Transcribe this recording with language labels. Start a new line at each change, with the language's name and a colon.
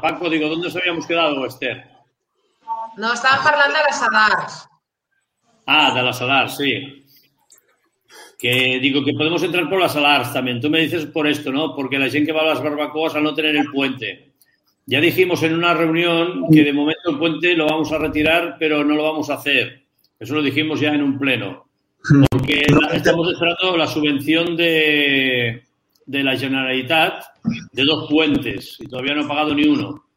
Spanish: Paco, digo, ¿dónde nos habíamos quedado, Esther?
Catalan: No, estàvem parlant de les edats. Ah, de les edats, sí.
Spanish: Que digo que podemos entrar por las alars también. Tú me dices por esto, ¿no? Porque la gente que va a las barbacoas al no tener el puente. Ya dijimos en una reunión que de momento el puente lo vamos a retirar, pero no lo vamos a hacer. Eso lo dijimos ya en un pleno. Porque estamos esperando la subvención de la Generalitat de dos puentes y todavía no ha pagado ni uno.